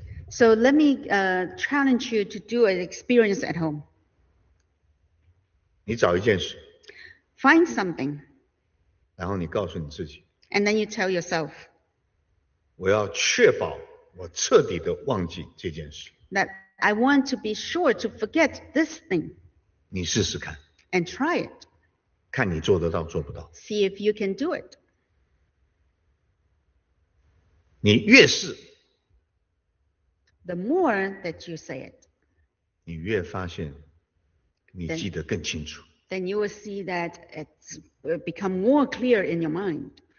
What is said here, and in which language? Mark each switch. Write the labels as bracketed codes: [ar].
[en] So let me challenge you to do an experience at home. [zh] 你找一件事, [en] find something. [zh] 然后你告诉你自己, [en] and then you tell yourself. [zh] 我要确保我彻底地忘记这件事, [en] that I want to be sure to forget this thing. [zh] 你试试看, [en] and try it. [zh] 看你做得到做不到, [en] see if you can do it. [zh] 你越试, [en] the more that you say it, [zh] 你越发现你记得更清楚, [en] then you will see that it will become more clear in your mind.